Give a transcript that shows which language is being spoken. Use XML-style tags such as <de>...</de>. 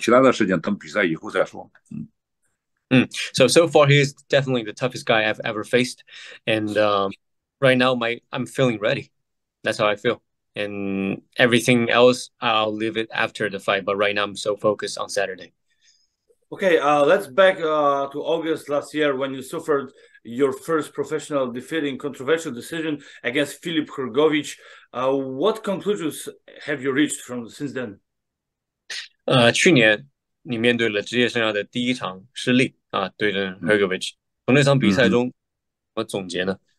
<zh>现在目前为止，他是我遇到的最强的对手。现在我已经做好准备迎接周六的比赛，所以说现在还是把所有的精力就放在周六的比赛上面，然后其他的事情等比赛以后再说。</zh> <en>So far he's definitely the toughest guy I've ever faced, and right now I'm feeling ready. That's how I feel. and everything else I'll leave it after the fight, but right now I'm so focused on Saturday. Okay, let's back to August last year when you suffered your first professional defeat in controversial decision against Filip Hrgović. What conclusions have you reached from since then?</en> <zh>去年你面对了职业生涯的第一场失利, 对着Hrgović, 从那场比赛中, 怎么总结呢?</zh>